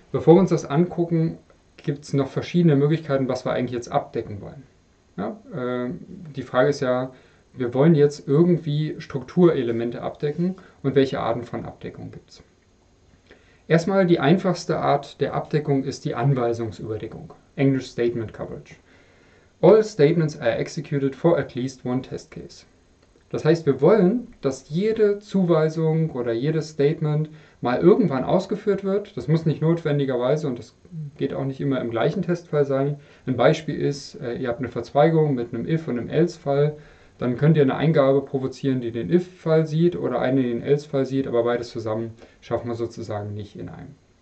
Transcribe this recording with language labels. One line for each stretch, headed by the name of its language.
German: Bevor wir uns das angucken, gibt es noch verschiedene Möglichkeiten, was wir eigentlich jetzt abdecken wollen. Ja, die Frage ist ja, wir wollen jetzt irgendwie Strukturelemente abdecken, und welche Arten von Abdeckung gibt es? Erstmal die einfachste Art der Abdeckung ist die Anweisungsüberdeckung, Englisch Statement Coverage.
English: All statements are executed for at least one test case.
German: Das heißt, wir wollen, dass jede Zuweisung oder jedes Statement mal irgendwann ausgeführt wird. Das muss nicht notwendigerweise und das geht auch nicht immer im gleichen Testfall sein. Ein Beispiel ist, ihr habt eine Verzweigung mit einem If- und einem Else-Fall. Dann könnt ihr eine Eingabe provozieren, die den If-Fall sieht oder eine, die den Else-Fall sieht, aber beides zusammen schaffen wir sozusagen nicht in einem.